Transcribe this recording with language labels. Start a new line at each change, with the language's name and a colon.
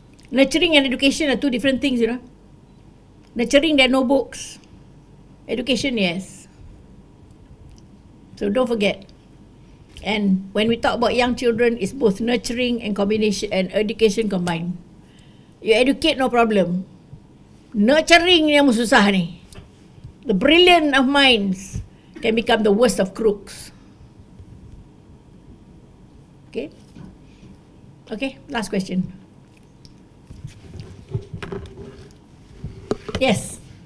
English: Nurturing and education are two different things, you know. Nurturing, there are no books. Education, yes. So don't forget. And when we talk about young children, it's both nurturing and combination and education combined. You educate, no problem.
Malay: Nurturing yang susah ni.
English: The brilliant of minds can become the worst of crooks. Okay, last question. Yes.